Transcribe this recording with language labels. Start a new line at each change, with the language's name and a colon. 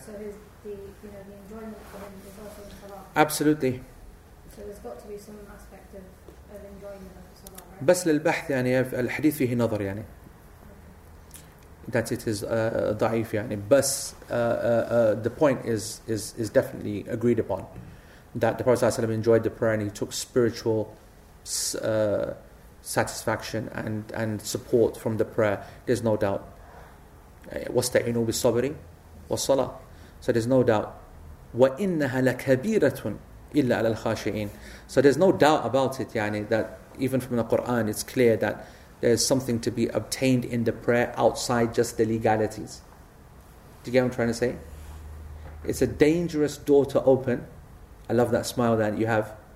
English: So the enjoyment for him is also in salah. Absolutely. So there's got to be some aspect of enjoyment of salah, right?
Arabic: بس للبحث يعني الحديث فيه نظر يعني.
English: That it is
Arabic: ضعيف يعني.
English: بس the point is definitely agreed upon, that the Prophet ﷺ enjoyed the prayer and he took spiritual satisfaction and support from the prayer. There's no doubt.
Arabic: واستعينوا بالصبر والصلاة.
English: So there's no doubt.
Arabic: وَإِنَّهَا لَكَبِيرَةٌ إِلَّا عَلَى الْخَاشِئِينَ.
English: So there's no doubt about it, yani, that even from the Quran it's clear that there's something to be obtained in the prayer outside just the legalities. Do you get what I'm trying to say? It's a dangerous door to open. I love that smile that you have.